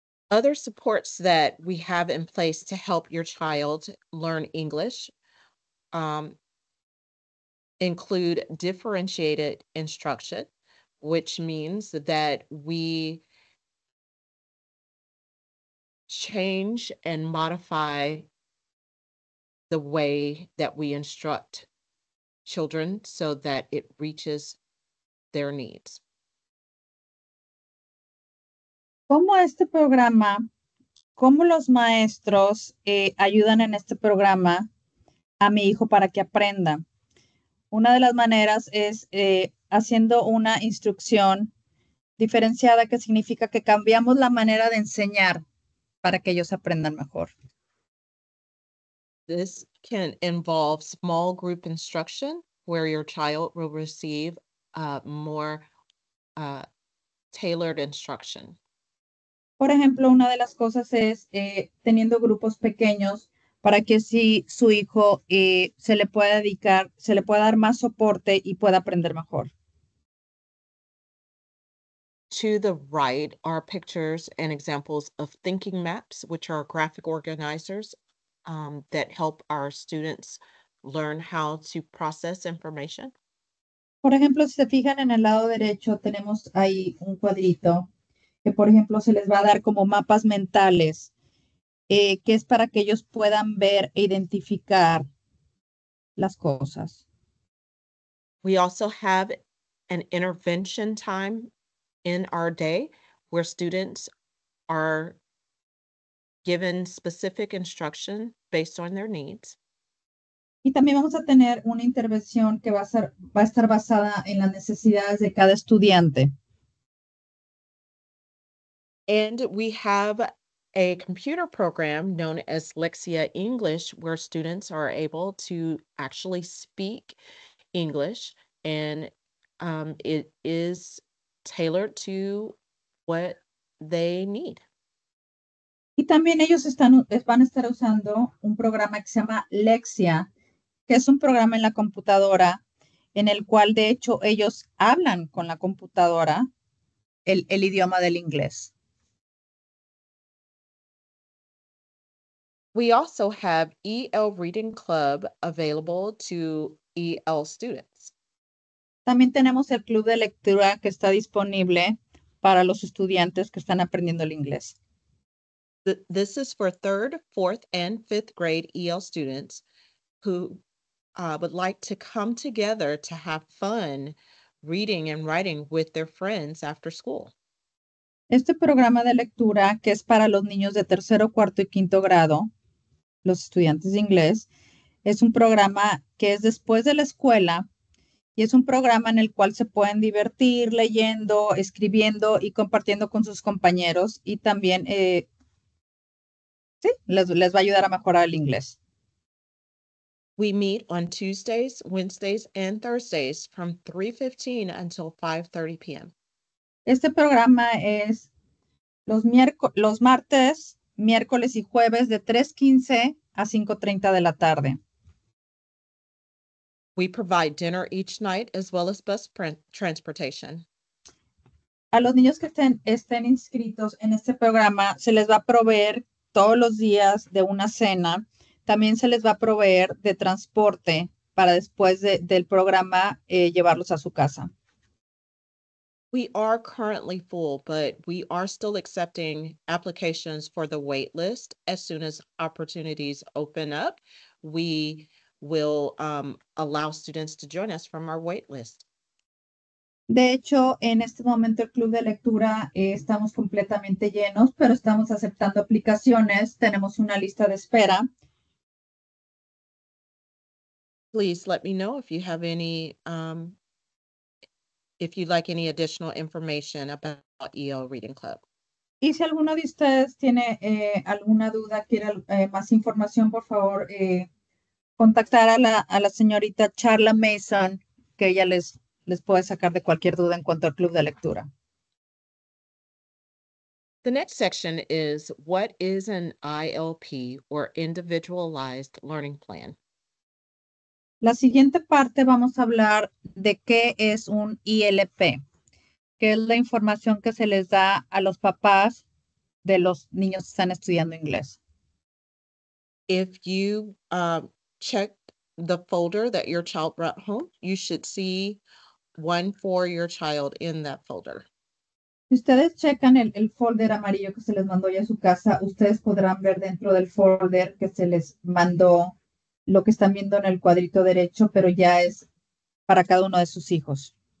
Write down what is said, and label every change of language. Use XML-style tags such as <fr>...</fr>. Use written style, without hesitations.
<en>Other supports that we have in place to help your child learn English include differentiated instruction, which means that we change and modify the way that we instruct children so that it reaches their needs.</en> <es>¿Cómo este programa, cómo los maestros ayudan en este programa a mi hijo para que aprenda? Una de las maneras es haciendo una instrucción diferenciada, que significa que cambiamos la manera de enseñar para que ellos aprendan mejor.</es> <en>This can involve small group instruction where your child will receive more tailored instruction.</en> <es>Por ejemplo, una de las cosas es teniendo grupos pequeños para que así su hijo se le pueda dar más soporte y pueda aprender mejor.</es> <en>To the right are pictures and examples of thinking maps, which are graphic organizers that help our students learn how to process information.</en> <es>Por ejemplo, si se fijan en el lado derecho, tenemos ahí un cuadrito que, por ejemplo, se les va a dar como mapas mentales, que es para que ellos puedan ver e identificar las cosas.</es> <en>We also have an intervention time in our day where students are given specific instruction based on their needs.</en> <es>Y también vamos a tener una intervención que va a estar basada en las necesidades de cada estudiante.</es> <en>And we have a computer program known as Lexia English, where students are able to actually speak English, and it is tailored to what they need.</en> <es>Y también ellos van a estar usando un programa que se llama Lexia, que es un programa en la computadora en el cual, de hecho, ellos hablan con la computadora el idioma del inglés.</es> <en>We also have EL Reading Club available to EL students.</en> <es>También tenemos el club de lectura que está disponible para los estudiantes que están aprendiendo el inglés.</es> <en>This is for third, fourth, and fifth grade EL students who would like to come together to have fun reading and writing with their friends after school.</en> <es>Este programa de lectura, que es para los niños de tercero, cuarto y quinto grado, los estudiantes de inglés, es un programa que es después de la escuela y es un programa en el cual se pueden divertir leyendo, escribiendo y compartiendo con sus compañeros y también sí, les va a ayudar a mejorar el inglés.</es> <en>We meet on Tuesdays, Wednesdays, and Thursdays from 3:15 until 5:30 p.m.</en> <es>Este programa es los martes, miércoles y jueves de 3:15 a 5:30 de la tarde.</es> <en>We provide dinner each night as well as bus transportation.</en> <es>A los niños que estén inscritos en este programa se les va a proveer todos los días de una cena. También se les va a proveer de transporte para después del programa llevarlos a su casa.</es> <en>We are currently full, but we are still accepting applications for the wait list. As soon as opportunities open up, we will allow students to join us from our wait list.</en> <es>De hecho, en este momento el club de lectura estamos completamente llenos, pero estamos aceptando aplicaciones. Tenemos una lista de espera.</es> <en>Please let me know if you have any, if you'd like any additional information about EL Reading Club.</en> <es>Y si alguno de ustedes tiene alguna duda, quiere más información, por favor, contactar a la señorita Charla Mason, que ella les puede sacar de cualquier duda en cuanto al club de lectura.</es> <en>The next section is, what is an ILP or Individualized Learning Plan?</en> <es>La siguiente parte vamos a hablar de qué es un ILP, que es la información que se les da a los papás de los niños que están estudiando inglés.</es> <en>If you check the folder that your child brought home, you should see one for your child in that folder.</en> <es>Si ustedes checan el folder amarillo que se les mandó ya a su casa, ustedes podrán ver dentro del folder que se les mandó lo que están viendo en el cuadrito derecho, pero ya es para cada uno de sus hijos.</es>